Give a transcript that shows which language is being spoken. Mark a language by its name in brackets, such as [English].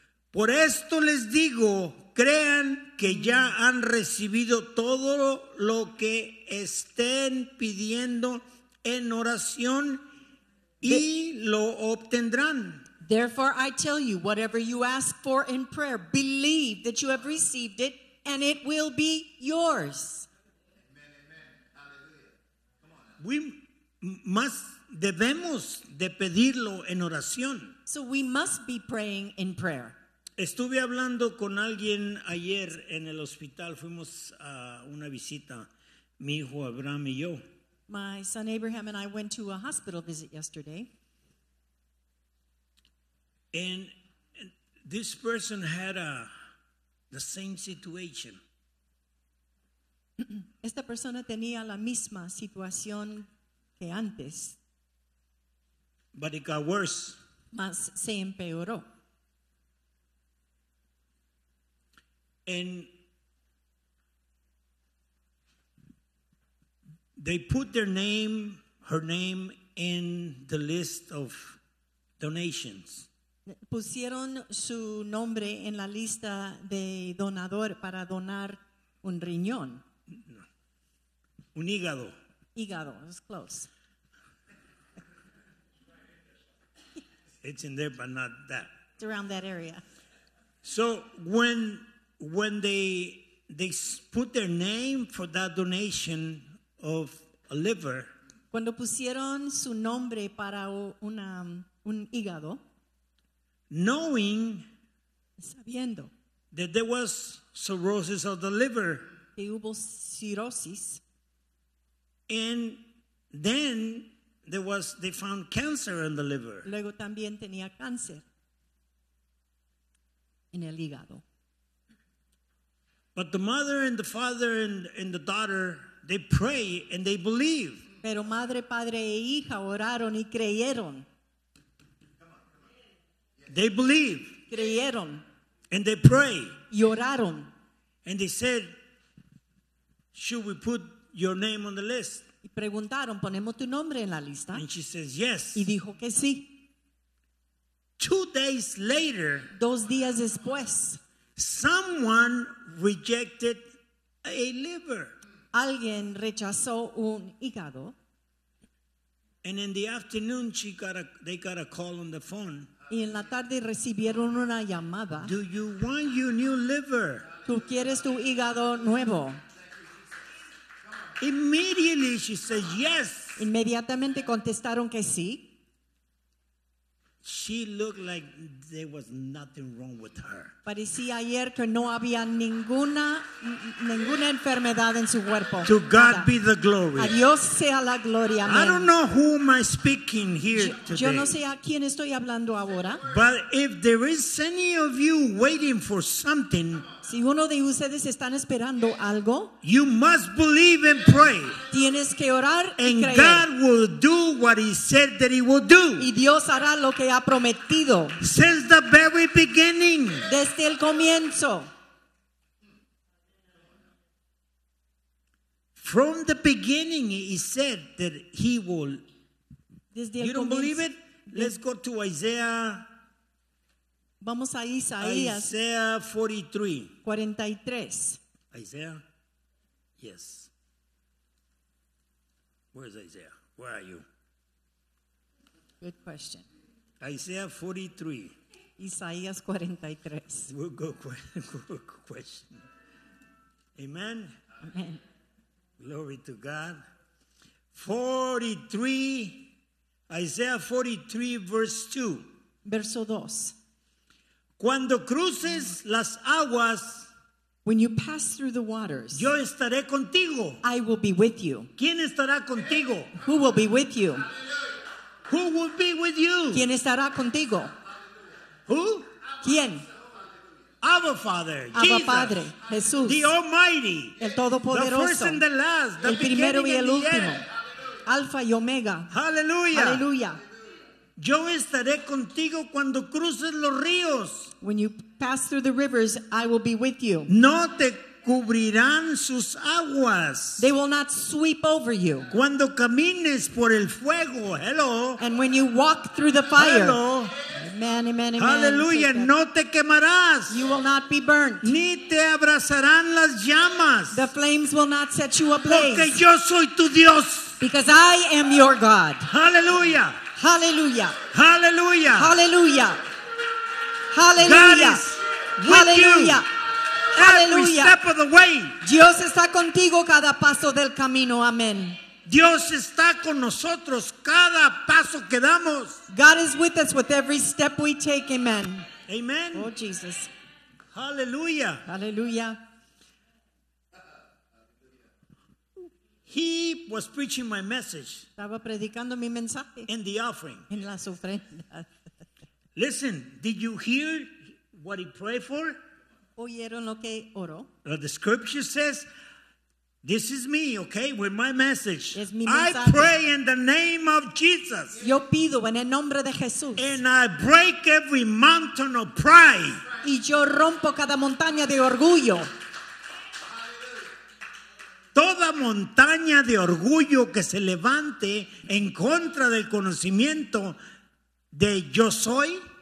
[Spanish] Por esto les digo, crean que ya han recibido todo lo que estén pidiendo en oración y lo obtendrán. [English] Therefore, I tell you, whatever you ask for in prayer, believe that you have received it, and it will be yours. Amen, amen. We must, [Spanish] debemos de pedirlo en oración. [English] So we must be praying in prayer. [Spanish] Estuve hablando con alguien ayer en el hospital. Fuimos a una visita, mi hijo Abraham y yo. [English] My son Abraham and I went to a hospital visit yesterday. And this person had the same situation. [Spanish] Esta persona tenía la misma situación que antes. [English] But it got worse. [Spanish] Mas se empeoró. [English] And they put their name, her name, in the list of donations. [Spanish] Pusieron su nombre en la lista de donador para donar un riñón. Un hígado. [English] Hígado, it's close. It's in there, but not that. It's around that area. So when they put their name for that donation of a liver. [Spanish] Cuando pusieron su nombre para un hígado. [English] Knowing [Spanish] sabiendo [English] that there was cirrhosis of the liver. [Spanish] Que hubo cirrhosis. [English] And then they found cancer in the liver. [Spanish] Luego también tenía cáncer en el hígado. [English] But the mother and the father and the daughter, they pray and they believe. [Spanish] Pero madre, padre e hija oraron y creyeron. [English] They believe. [Spanish] Creyeron. [English] And they pray. [Spanish] Lloraron. [English] And they said, should we put your name on the list? [Spanish] Y preguntaron, ¿ponemos tu nombre en la lista? [English] And she says, yes. [Spanish] Y dijo que sí. [English] 2 days later, [Spanish] dos días después, [English] someone rejected a liver. [Spanish] Alguien rechazó un hígado. [English] And in the afternoon, they got a call on the phone. [Spanish] Y en la tarde recibieron una llamada. [English] Do you want your new liver? [Spanish] ¿Tú quieres tu hígado nuevo? [English] Immediately she said yes. [Spanish] Inmediatamente contestaron que sí. [English] She looked like there was nothing wrong with her. [Spanish] Parecía ayer que no había ninguna enfermedad en su cuerpo. [English] To God be the glory. [Spanish] A Dios sea la gloria. [English] I don't know who am I speaking here today. [Spanish] Yo no sé a quién estoy hablando ahora. [English] But if there is any of you waiting for something, [Spanish] si uno de ustedes están esperando algo, [English] you must believe and pray. [Spanish] Tienes que orar y creer. [English] And God will do what he said that he will do. [Spanish] Y Dios hará lo que ha prometido. [English] Since the very beginning. [Spanish] Desde el comienzo. [English] From the beginning, he said that he will. You don't believe it? Let's go to Isaiah. [Spanish] Vamos a Isaías. [English] Isaiah 43. 43. Isaiah? Yes. Where's Isaiah? Where are you? Good question. Isaiah 43. [Spanish] Isaías 43. [English] We'll go question. Amen? Amen. Glory to God. 43. Isaiah 43, verse 2. [Spanish] Verso 2. Cuando cruces las aguas, [English] when you pass through the waters, [Spanish] yo estaré contigo. [English] I will be with you. [Spanish] ¿Quién estará contigo? [English] Who will be with you? Who will be with you? [Spanish] ¿Quién estará contigo? [English] Who? [Spanish] ¿Quién? [English] Abba Father, Abba Jesus, [Spanish] Padre, Jesús, [English] the Almighty, [Spanish] el Todopoderoso, [English] the first and the last, the [Spanish] el primero y el último, Alfa y Omega. Hallelujah. Hallelujah. Yo estaré contigo cuando cruces los ríos. [English] When you pass through the rivers, I will be with you. [Spanish] No te cubrirán sus aguas. [English] They will not sweep over you. [Spanish] Cuando camines por el fuego. [English] Hello. And when you walk through the fire. Hello. Amen, amen, amen. [Spanish] Hallelujah. No te quemarás. [English] You will not be burnt. [Spanish] Ni te abrazarán las llamas. [English] The flames will not set you ablaze. [Spanish] Porque yo soy tu Dios. [English] Because I am your God. Hallelujah. Hallelujah. Hallelujah. Hallelujah. Hallelujah. God is Hallelujah. With Hallelujah. You. Every step of the way. [Spanish] Dios está contigo cada paso del camino. Amen. Dios está con nosotros cada paso que damos. [English] God is with us with every step we take. Amen. Amen. Oh, Jesus. Hallelujah. Hallelujah. He was preaching my message. [Spanish] Estaba predicando mi mensaje. [English] In the offering. [Spanish] En las ofrendas. [English] Listen, did you hear what he prayed for? [Spanish] ¿Oyeron lo que oró? [English] The scripture says, this is me, okay, with my message. [Spanish] Es mi mensaje. [English] I pray in the name of Jesus. [Spanish] Yo pido en el nombre de Jesús. [English] And I break every mountain of pride. [Spanish] Y yo rompo cada montaña de orgullo. Toda montaña de orgullo que se levante en contra del conocimiento de yo soy.